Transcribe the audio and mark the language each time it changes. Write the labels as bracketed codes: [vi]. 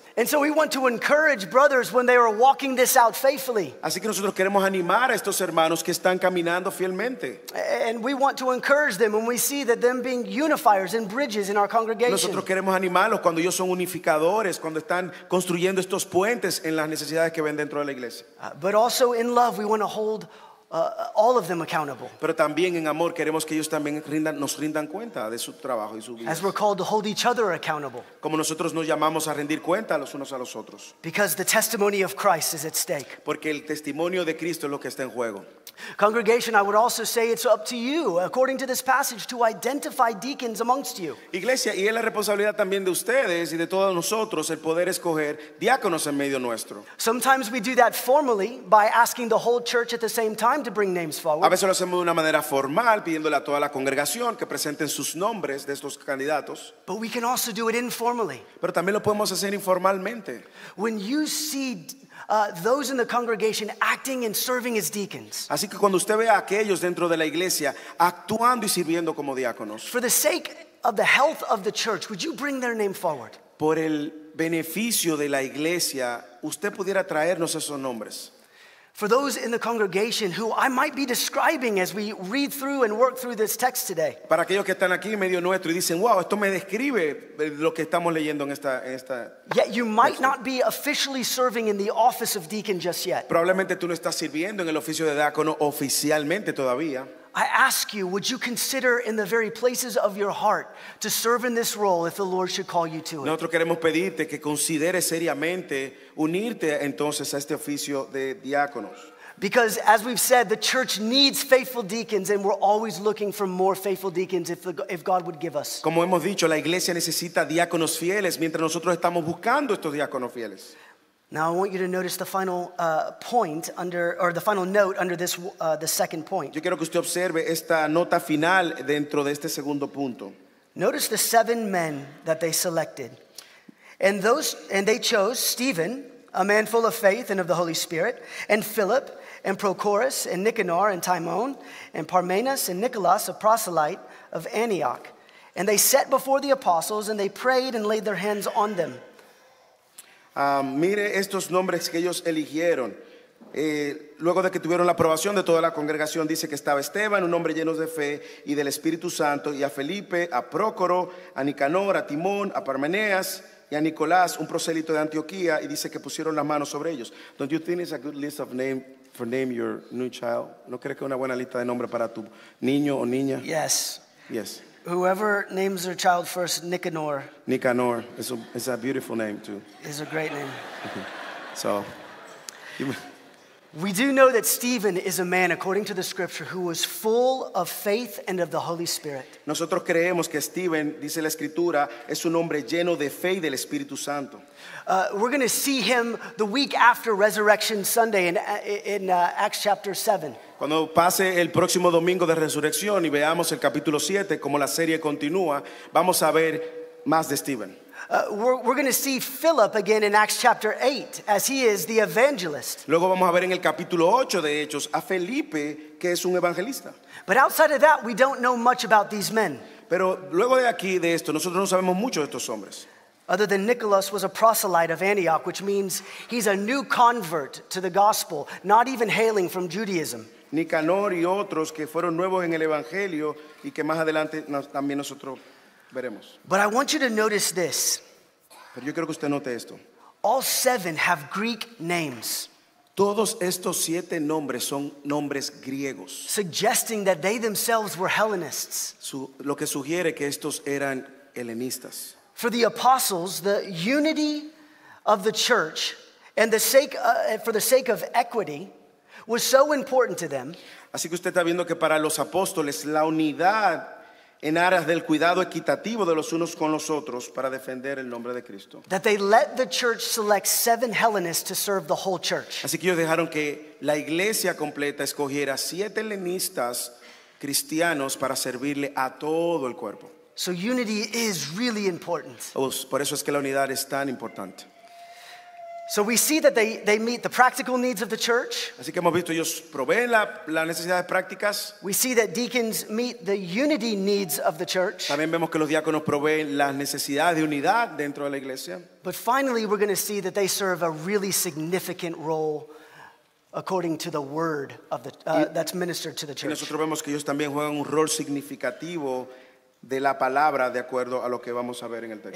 [en] And so we want to encourage brothers when they are walking this out faithfully. [es] Así que nosotros queremos animar a estos hermanos que están caminando fielmente. [en] And we want to encourage them when we see that them being unifiers and bridges in our congregation. [es] Nosotros queremos animarlos cuando ellos son unificadores, cuando están construyendo estos puentes en las necesidades que ven dentro de la iglesia. [en] But also in love, we want to hold all of them accountable. [es] Pero también en amor queremos que ellos también nos rindan cuenta de su trabajo y su vida. [en] As we're called to hold each other accountable. [es] Como nosotros nos llamamos a rendir cuenta los unos a los otros. [en] Because the testimony of Christ is at stake. [es] Porque el testimonio de Cristo es lo que está en juego. [en] Congregation, I would also say it's up to you, according to this passage, to identify deacons amongst you. [es] Iglesia, y es la responsabilidad también de ustedes y de todos nosotros el poder escoger diáconos en medio nuestro. [en] Sometimes we do that formally by asking the whole church at the same time to bring names forward. [es] A veces lo hacemos de una manera formal, pidiéndole a toda la congregación que presenten sus nombres de estos candidatos. [en] But we can also do it informally. [es] Pero también lo podemos hacer informalmente. [en] When you see those in the congregation acting and serving as deacons. [es] Así que cuando usted ve a aquellos dentro de la iglesia actuando y sirviendo como diáconos. [en] For the sake of the health of the church, would you bring their name forward? [es] Por el beneficio de la iglesia, usted pudiera traernos esos nombres. [en] For those in the congregation who I might be describing as we read through and work through this text today. [es] Para aquellos que están aquí en medio nuestro y dicen, wow, esto me describe lo que estamos leyendo en esta. [en] Yet you might not be officially serving in the office of deacon just yet. [es] Probablemente tú no estás sirviendo en el oficio de diácono oficialmente todavía. [en] I ask you, would you consider in the very places of your heart to serve in this role if the Lord should call you to it? [es] Nosotros queremos pedirte que consideres seriamente unirte entonces a este oficio de diáconos. [en] Because as we've said, the church needs faithful deacons, and we're always looking for more faithful deacons if God would give us. [es] Como hemos dicho, la iglesia necesita diáconos fieles mientras nosotros estamos buscando estos diáconos fieles. [en] Now I want you to notice the final point under, or the final note under this, the second point. [es] Yo quiero que usted observe esta nota final dentro de este segundo punto. [en] Notice the seven men that they selected, and they chose Stephen, a man full of faith and of the Holy Spirit, and Philip, and Prochorus, and Nicanor, and Timon, and Parmenas, and Nicholas, a proselyte of Antioch, and they set before the apostles, and they prayed and laid their hands on them. [es] Mire estos nombres que ellos eligieron. Luego de que tuvieron la aprobación de toda la congregación, dice que estaba Esteban, un hombre lleno de fe y del Espíritu Santo, y a Felipe, a Prócoro, a Nicanor, a Timón, a Parmenas y a Nicolás, un prosélito de Antioquía, y dice que pusieron las manos sobre ellos. [en] Don't you think it's a good list of name for name your new child? [es] ¿No crees que es una buena lista de nombre para tu niño o niña? [en] Yes. Yes. Whoever names their child first, Nicanor. Nicanor. It's a beautiful name, too. It's a great name. So. We do know that Stephen is a man, according to the scripture, who was full of faith and of the Holy Spirit. [es] Nosotros creemos que Stephen, dice la escritura, es un hombre lleno de fe y del Espíritu Santo. [en] We're going to see him the week after Resurrection Sunday in Acts chapter 7. [es] Cuando pase el próximo domingo de resurrección y veamos el capítulo 7, como la serie continúa, vamos a ver más de Stephen. [en] We're going to see Philip again in Acts chapter 8, as he is the evangelist. [es] Luego vamos a ver en el capítulo 8 de Hechos a Felipe, que es un evangelista. [en] But outside of that, we don't know much about these men. [es] Pero luego de aquí, de esto, nosotros no sabemos mucho de estos hombres. [en] Other than Nicholas was a proselyte of Antioch, which means he's a new convert to the gospel, not even hailing from Judaism. [es] Nicanor y otros que fueron nuevos en el evangelio y que más adelante también nosotros veremos. [en] But I want you to notice this. [es] Pero yo quiero que usted note esto. [en] All seven have Greek names. [es] Todos estos siete nombres son nombres griegos. [en] Suggesting that they themselves were Hellenists. [es] Lo que sugiere que estos eran helenistas. [en] For the apostles, the unity of the church and for the sake of equity was so important to them. [es] Así que usted está viendo que para los apóstoles la unidad en aras del cuidado equitativo de los unos con los otros para defender el nombre de Cristo. [en] That they let the church select seven Hellenists to serve the whole church. [es] Así que ellos dejaron que la iglesia completa escogiera siete helenistas cristianos para servirle a todo el cuerpo. [en] So unity is really important. [es] Por eso es que la unidad es tan importante. [en] So we see that they meet the practical needs of the church. [es] Así que hemos visto ellos proveen las necesidades prácticas. [en] We see that deacons meet the unity needs of the church. [es] También vemos que los diáconos proveen las necesidades de unidad dentro de la iglesia. [en] But finally, we're going to see that they serve a really significant role according to the word of the that's ministered to the church. [es] Y nosotros vemos que ellos también juegan un rol significativo de la palabra de acuerdo a lo que vamos a ver en el texto.